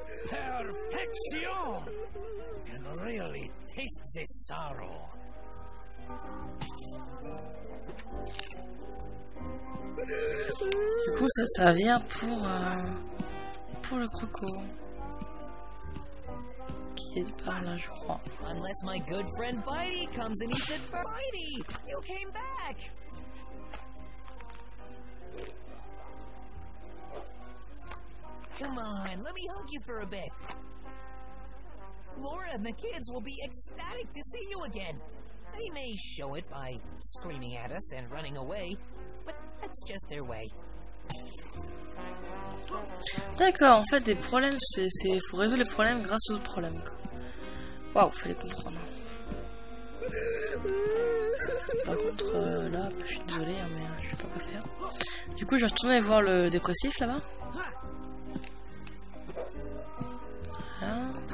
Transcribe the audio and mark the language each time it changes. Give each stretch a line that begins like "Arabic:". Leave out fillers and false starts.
English: Perfection. You can really taste the sorrow.
French: Du coup, ça, ça vient pour le croco.
English: Unless my good friend Bitey comes and eats it for Bitey, you came back. Come on, let me hug you for a bit. Laura and the kids will be ecstatic to see you again. They may show it by screaming at us and running away, but that's just their way.
French: D'accord, en fait, des problèmes, c'est pour résoudre les problèmes grâce aux problèmes. Waouh, fallait comprendre. Par contre, là, je suis désolé, hein, mais je sais pas quoi faire. Du coup, je vais retourner voir le dépressif là-bas. Voilà.